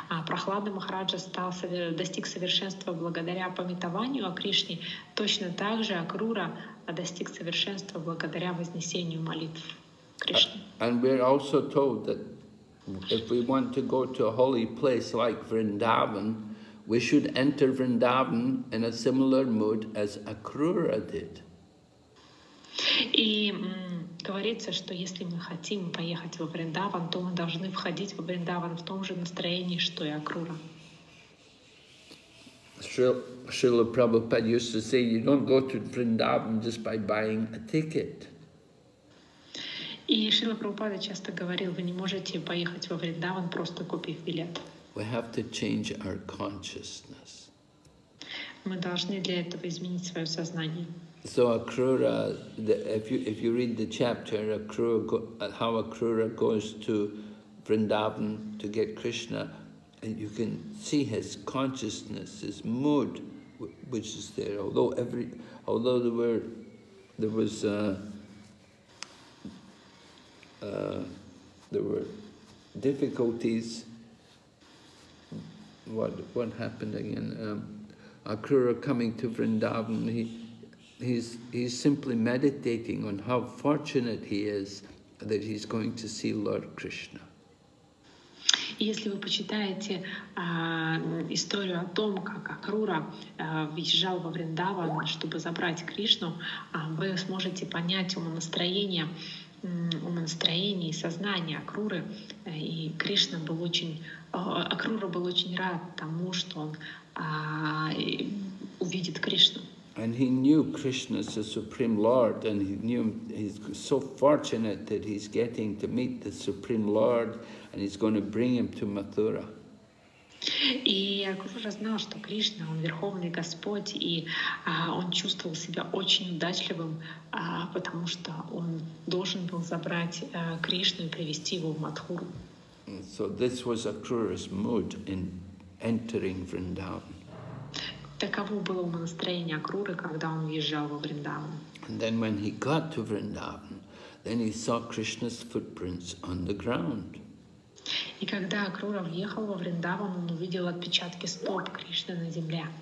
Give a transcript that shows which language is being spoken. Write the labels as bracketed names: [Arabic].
[Russian] Прахлада Махараджа достиг совершенства благодаря памятованию о Кришне. Точно так же Акрура достиг совершенства благодаря вознесению молитв Кришне. [English] And we're also told that if we want to go to a holy place like Vrindavan, we should enter Vrindavan in a similar mood as Akrura did. [Russian] И говорится, что если мы хотим поехать во Вриндаван, то мы должны входить во Вриндаван в том же настроении, что и Акрура. [English] Шрила Прабхупада used to say, you don't go to Vrindavan just by buying a ticket. [Russian] И Шрила Прабхупада часто говорил, вы не можете поехать во Вриндаван, просто купив билет. [English] We have to change our consciousness. [Russian] Мы должны для этого изменить свое сознание. [English] So Akrura, if you read the chapter Akrura, how Akrura goes to Vrindavan to get Krishna, and you can see his consciousness, his mood which is there, although every, although there were, there was, there were difficulties. What happened again? Akura coming to Vrindavan, he's simply meditating on how fortunate he is that he's going to see Lord Krishna. [Russian] Если вы почитаете историю о том, как Акрура въезжал во Вриндаван, чтобы забрать Кришну, вы сможете понять умонастроение и сознание Акруры. И Кришна был очень, Акрура был очень рад тому, что он увидит Кришну. [English] And he knew Krishna is the Supreme Lord, and he knew he's so fortunate that he's getting to meet the Supreme Lord, and he's going to bring him to Mathura. [Russian] И Акрура знал, что Кришна, он верховный Господь, и он чувствовал себя очень удачливым, потому что он должен был забрать Кришну и привести его в Матхуру. [English] So this was Akrura's mood in entering Vrindavan. [Russian] Таково было настроение Акруры, когда он въезжал во Вриндаван. [English] And then when he got to Vrindavan, then he saw Krishna's footprints on the ground. [Russian] И когда Акрура въехал во Вриндаван, он увидел отпечатки стоп Кришны на земле.